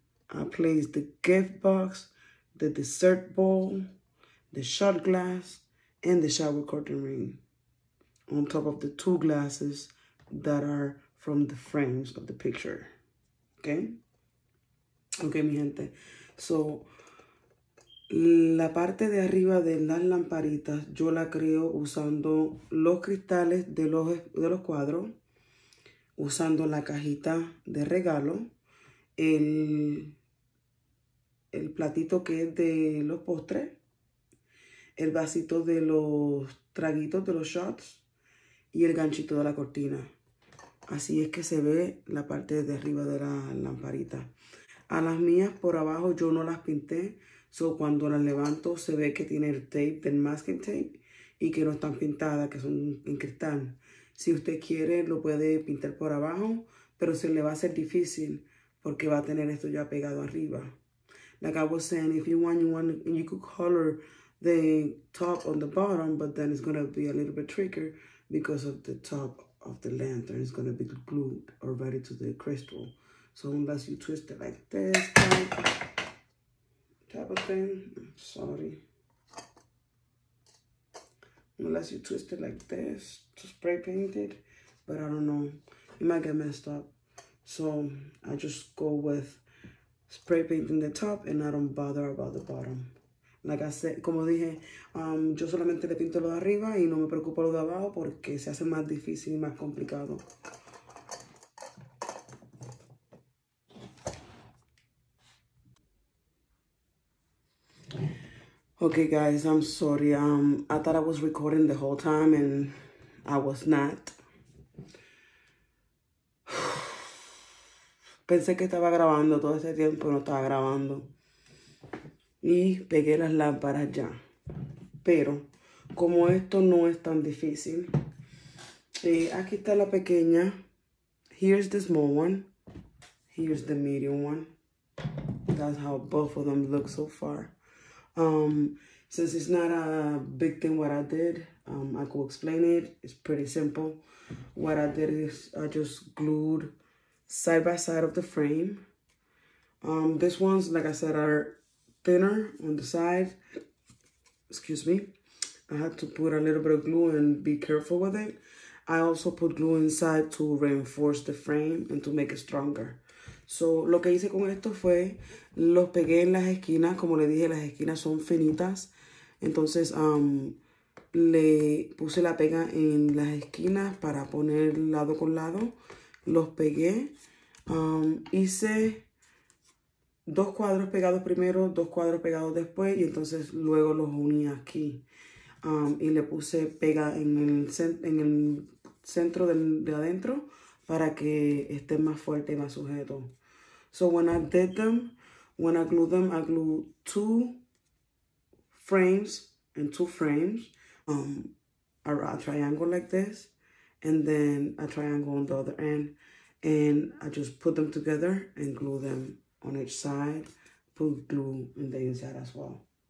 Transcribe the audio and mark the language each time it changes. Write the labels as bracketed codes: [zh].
[en] I place the gift box, the dessert bowl, the shot glass, and the shower curtain ring on top of the two glasses that are from the frames of the picture. Okay? Okay, [es] mi gente. So, la parte de arriba de las lamparitas, yo la creo usando los cristales de los cuadros, usando la cajita de regalo, el platito que es de los postres, el vasito de los traguitos, de los shots, y el ganchito de la cortina. Así es que se ve la parte de arriba de la lamparita. A las mías por abajo yo no las pinté, so cuando las levanto se ve que tiene el tape, el masking tape, y que no están pintadas, que son en cristal. Si usted quiere, lo puede pintar por abajo, pero se le va a hacer difícil porque va a tener esto ya pegado arriba. [en] Like I was saying, if you want, you could color the top on the bottom, but then it's going to be a little bit trickier because of the top of the lantern is going to be glued already to the crystal. So unless you twist it like this type of thing, unless you twist it like this to spray paint it, but I don't know, it might get messed up. So I just go with spray painting the top and I don't bother about the bottom. Like I said, [es] como dije, yo solamente le pinto lo de arriba y no me preocupo lo de abajo porque se hace más difícil y más complicado. [en] Okay, guys, I'm sorry. I thought I was recording the whole time and I was not. [es] Pensé que estaba grabando todo ese tiempo y no estaba grabando. Y pegué las lámparas ya. Pero como esto no es tan difícil, aquí está la pequeña. [en] Here's the small one. Here's the medium one. That's how both of them look so far. Since it's not a big thing what I did, I could explain it. It's pretty simple. What I did is I just glued side by side of the frame. This ones, like I said, are thinner on the side. Excuse me. I had to put a little bit of glue and be careful with it. I also put glue inside to reinforce the frame and to make it stronger. [es] So, lo que hice con esto fue, los pegué en las esquinas. Como le dije, las esquinas son finitas. Entonces, le puse la pega en las esquinas para poner lado con lado. Los pegué. Hice dos cuadros pegados primero, dos cuadros pegados después. Y entonces, luego los uní aquí. Y le puse pega en el centro de adentro para que esté más fuerte y más sujeto. [en] So when I did them, when I glued them, I glued two frames and two frames, a triangle like this, and then a triangle on the other end, and I just put them together and glued them on each side, put glue in the inside as well.